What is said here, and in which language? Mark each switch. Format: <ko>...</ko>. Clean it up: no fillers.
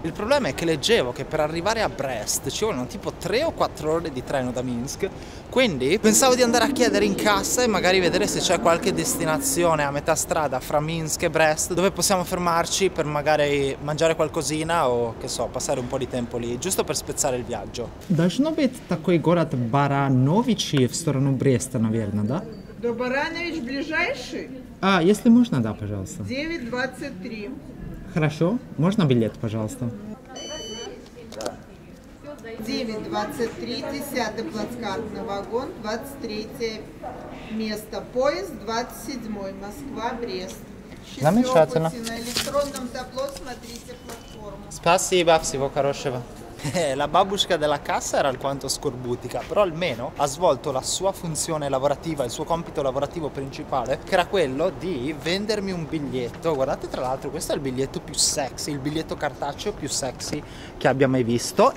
<it>Il problema è che leggevo che per arrivare a Brest ci vogliono tipo 3 o 4 ore di treno da Minsk, quindi pensavo di andare a chiedere in cassa e magari vedere se c'è qualche destinazione a metà strada fra Minsk e Brest dove possiamo fermarci per magari mangiare qualcosina o, che so, passare un po' di tempo lì, giusto per spezzare il viaggio.</it> <ru>Должно быть такой город Барановичи в сторону Бреста, наверное, да? До Баранович ближайший? А, если можно, да, пожалуйста. 9:23. Хорошо. Можно билет, пожалуйста? 9:23, 10-й плацкартный вагон, 23-е место. Поезд 27-й, Москва-Брест. Замечательно. На электронном табло смотрите платформу. Спасибо, всего хорошего.</ru> <it>La бабушка della cassa era alquanto scorbutica, però almeno ha svolto la sua funzione lavorativa, il suo compito lavorativo principale, che era quello di vendermi un biglietto. Guardate, tra l'altro, questo è il biglietto più sexy, il biglietto cartaceo più sexy che abbia mai visto.</it>